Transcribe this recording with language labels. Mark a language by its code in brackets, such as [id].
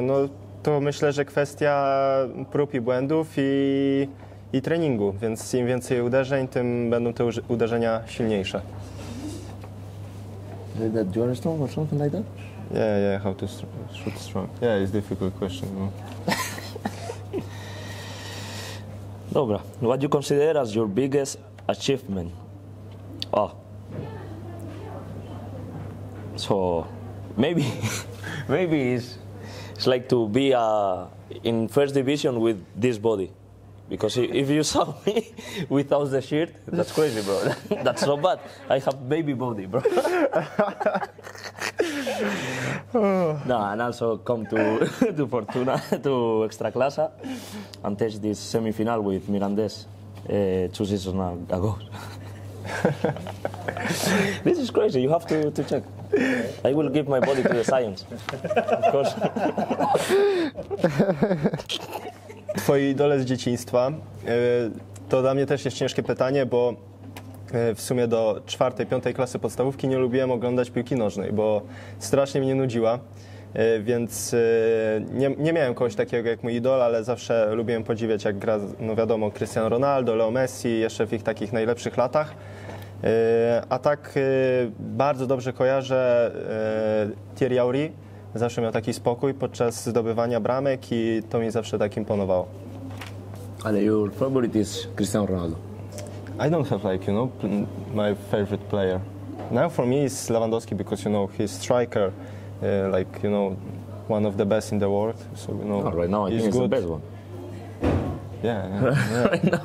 [pl] No, to myślę, że kwestia prób i błędów i treningu, więc im więcej uderzeń, tym będą te uderzenia silniejsze. [en] Did that you understand or something like that? Yeah, how to shoot strong. Yeah, it's a difficult question. No? [pl] Dobra, [en] what do you consider as your biggest achievement? Oh. So, maybe it's like to be in first division with this body. Because if you saw me without the shirt, that's crazy, bro. That's so bad. I have baby body, bro. No, and also come to Fortuna, to Extraclasa, and test this semifinal with Mirandés 2 seasons ago. This is crazy. You have to check. I will give my body to the science, of course. [pl] Twoi idole z dzieciństwa, to dla mnie też jest ciężkie pytanie, bo w sumie do 4-5 klasy podstawówki nie lubiłem oglądać piłki nożnej, bo strasznie mnie nudziła, więc nie miałem kogoś takiego jak mój idol, ale zawsze lubiłem podziwiać, jak gra, no wiadomo, Cristiano Ronaldo, Leo Messi, jeszcze w ich takich najlepszych latach. A tak bardzo dobrze kojarzę Thierry Henry. Zawsze miał taki spokój podczas zdobywania bramek i to mi zawsze tak imponowało. Ale [en] your favorite is Cristiano Ronaldo. I don't have like, you know, my favorite player. Now for me is Lewandowski because, you know, he's striker, like, you know, one of the best in the world. So, you know, no, right now I think He's the best one. Yeah. Right now.